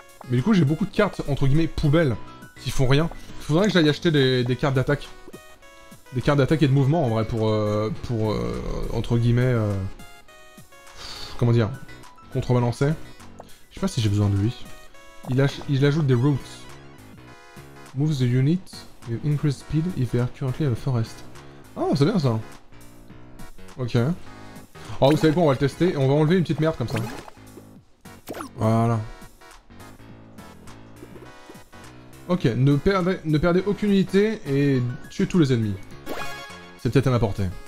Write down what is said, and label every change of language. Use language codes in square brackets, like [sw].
[fr] Mais du coup, j'ai beaucoup de cartes, entre guillemets, poubelles, qui font rien. Il faudrait que j'aille acheter des cartes d'attaque. Des cartes d'attaque et de mouvement, en vrai, pour entre guillemets, comment dire, contrebalancer. Je sais pas si j'ai besoin de lui. Il ajoute des roots. [en] Move the unit with increased speed if they are currently at the forest. [fr] Oh, c'est bien ça. Ok. Oh, vous savez quoi, on va le tester et on va enlever une petite merde comme ça. Voilà. Ok, ne perdez aucune unité et tuez tous les ennemis. C'est peut-être à ma portée.